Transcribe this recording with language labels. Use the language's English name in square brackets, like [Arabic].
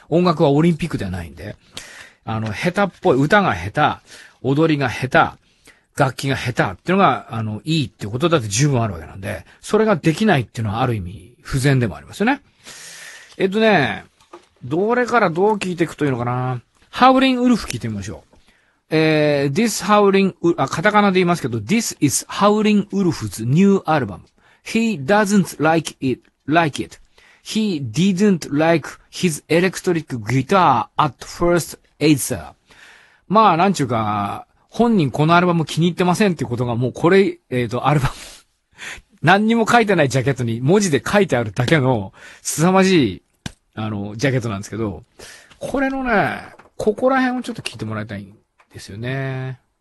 [Japanese] 音楽はオリンピックではないんで。下手っぽい、歌が下手、踊りが下手、楽器が下手っていうのが、いいっていうことだって十分あるわけなんで、それができないっていうのはある意味、不全でもありますよね。どれからどう聞いていくというのかな。ハウリンウルフ聞いてみましょう。 [English] This Howling Wolf、 [Japanese] カタカナで言いますけど、 [English] This is Howling Wolf's new album. He doesn't like it. He didn't like his electric guitar at first either. [Japanese] まあ、なんちゅうか、本人このアルバム気に入ってませんっていうことが、もうこれ、アルバム、何にも書いてないジャケットに文字で書いてあるだけの、凄まじい、ジャケットなんですけど、これのね、ここら辺をちょっと聞いてもらいたいんですよね。